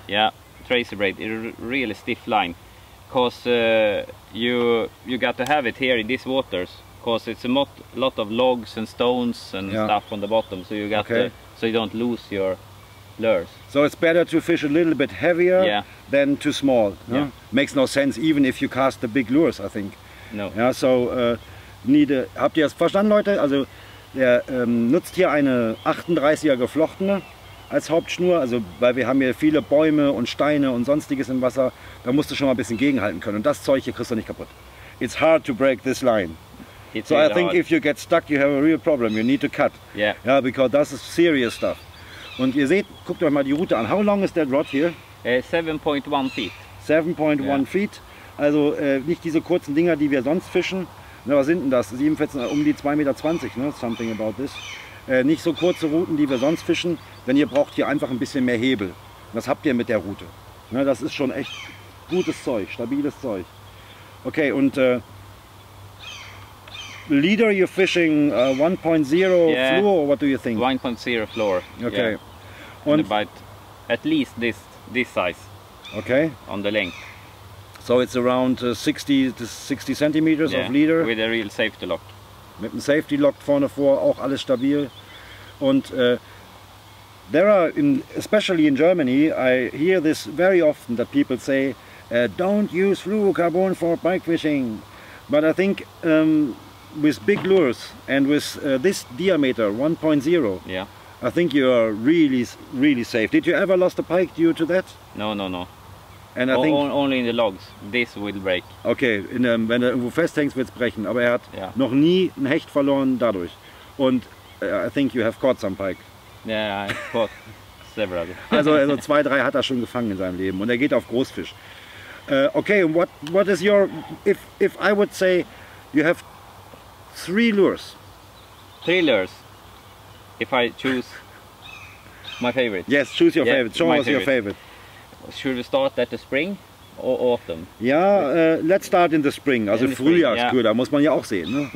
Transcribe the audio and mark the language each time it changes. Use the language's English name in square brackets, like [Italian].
[English] Yeah, tracer braid, it's a really stiff line. Because you got to have it here in these waters, because it's a lot of logs and stones and stuff on the bottom, so you got to, so you don't lose your lures. So it's better to fish a little bit heavier than too small. Yeah. Yeah. Makes no sense, even if you cast the big lures, I think. No. Yeah. [German] So habt ihr das verstanden, Leute? Also der nutzt hier eine 38er geflochtene als Hauptschnur, also weil wir haben hier viele Bäume und Steine und sonstiges im Wasser, da musst du schon mal ein bisschen gegenhalten können. Und das Zeug hier kriegst du nicht kaputt. [English] It's hard to break this line. It's so I think hard. If you get stuck, you have a real problem. You need to cut. Yeah. Yeah, because that is serious stuff. [German] Und ihr seht, guckt euch mal die Route an. [English] How long is that rod here? 7.1 feet. 7.1 feet. [German] Also nicht diese kurzen Dinger, die wir sonst fischen. Na, was sind denn das? 47, um die 2,20 Meter, ne? [English] Something about this. [German] Nicht so kurze Routen, die wir sonst fischen, denn ihr braucht hier einfach ein bisschen mehr Hebel. Das habt ihr mit der Route. Ne, das ist schon echt gutes Zeug, stabiles Zeug. [English] Okay, und leader you're fishing 1.0 floor, or what do you think? 1.0 floor. Okay. Yeah. And about at least this size. Okay. On the length. So it's around 60 centimeters of leader. With a real safety lock. [German] Mit einem Safety Lock vorne vor, auch alles stabil. [English] Und there are, especially in Germany, I hear this very often that people say, don't use fluorocarbon for pike fishing. But I think with big lures and with this diameter, 1.0, I think you are really, really safe. Did you ever lost a pike due to that? No. And I think only in the logs, this will break. [German] Okay, wenn er irgendwo festhängt, wird es brechen. Aber er hat noch nie ein Hecht verloren dadurch. [English] Und I think you have caught some pike. Yeah, I caught several. [German] also zwei, drei hat er schon gefangen in seinem Leben. Und er geht auf Großfisch. [English] Okay, what is your... If I would say you have three lures. Three lures? If I choose my favorite. Yes, choose your favorite. Show us your favorite. Should we start at the spring or autumn? Yeah, let's start in the spring. [German] Also Frühjahrsköder, muss man ja auch sehen. Ne?